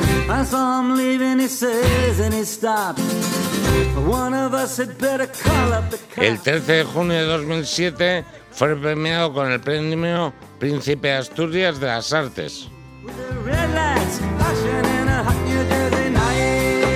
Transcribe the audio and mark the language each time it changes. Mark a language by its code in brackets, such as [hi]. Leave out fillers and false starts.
[en] I saw him leaving, he says, and he stopped. One of us had better call up the cops. [es] El 13 de junio de 2007 fue premiado con el premio Príncipe de Asturias de las Artes. [en] With the red lights flashing in a hot New Jersey night.